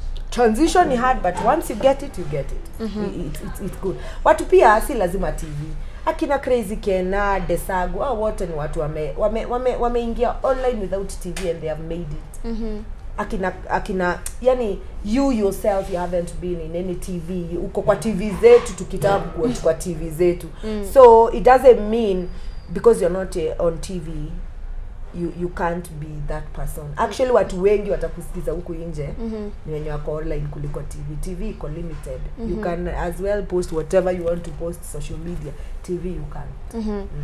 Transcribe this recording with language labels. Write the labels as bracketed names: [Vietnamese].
[English] Transition is hard, but once you get it, you get it. Mm-hmm. It's good. [Swahili] Watu pia si lazima TV. [English] Akina Crazy Kena, Desagu, oh, [Swahili] wote ni watu wameingia [English] online without TV and they have made it. Mm-hmm. [Swahili] Akina, yani [English] you yourself, you haven't been in any TV. [Swahili] Uko kwa TV zetu, tukitabu kwa TV zetu. Mm. [English] So it doesn't mean because you're not on TV, you can't be that person. [Swahili] Actually, watu wengi watakusikiza huku inje, niwenye wako online kuliko TV. TV iko limited. Mm-hmm. [English] You can as well post whatever you want to post social media. TV you can't.